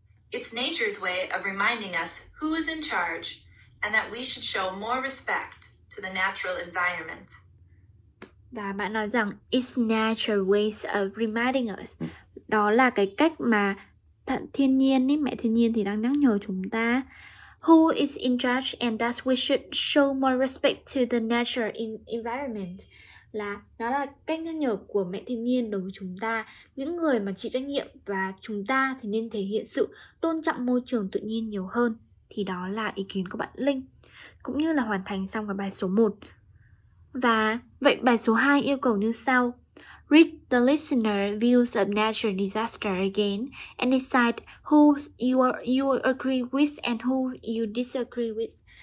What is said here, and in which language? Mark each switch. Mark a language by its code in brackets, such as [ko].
[en] It's nature's way of reminding us who is in charge and that we should show more respect to the natural environment. [vi] Và bạn nói rằng [en] it's nature's way of reminding us. [vi] Đó là cái cách mà thiên nhiên ấy, mẹ thiên nhiên thì đang nhắc nhở chúng ta. [en] Who is in charge and that we should show more respect to the natural environment. [vi] Là nó là cách nhắc nhở của mẹ thiên nhiên đối với chúng ta, những người mà chịu trách nhiệm, và chúng ta thì nên thể hiện sự tôn trọng môi trường tự nhiên nhiều hơn. Thì đó là ý kiến của bạn Linh, cũng như là hoàn thành xong cái bài số 1. Và vậy bài số 2 yêu cầu như sau: [en] Read the listener views of natural disaster again and decide who you agree with and who you disagree with.